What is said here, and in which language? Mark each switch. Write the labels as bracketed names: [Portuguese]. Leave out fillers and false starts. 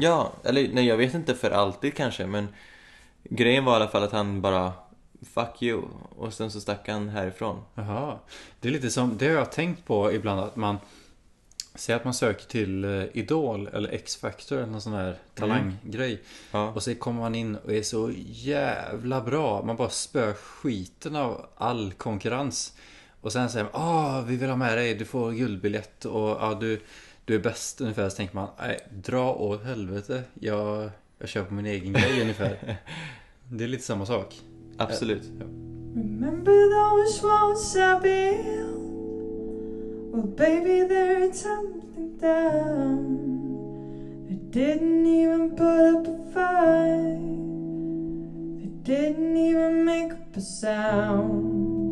[Swedish] Ja, eller nej, jag vet inte, för alltid kanske, men... Grejen var i alla fall att han bara fuck you, och sen så stack han härifrån. Jaha, det är lite som, det har jag tänkt på ibland, att man Säg att man söker till Idol eller X-Factor, någon sån här talanggrej. Mm. Ja. Och så kommer man in och är så jävla bra. Man bara spör skiten av all konkurrens. Och sen säger man, ah, vi vill ha med dig, du får guldbiljett. Och ah, du är bäst ungefär. Så tänker man, dra åt helvete. Jag kör på min egen grej ungefär. Det är lite samma sak. Absolut. Ja. [English] Remember those walls I built? Well, baby, they're tumbling down. They didn't even put up a fight. They didn't even make up a sound.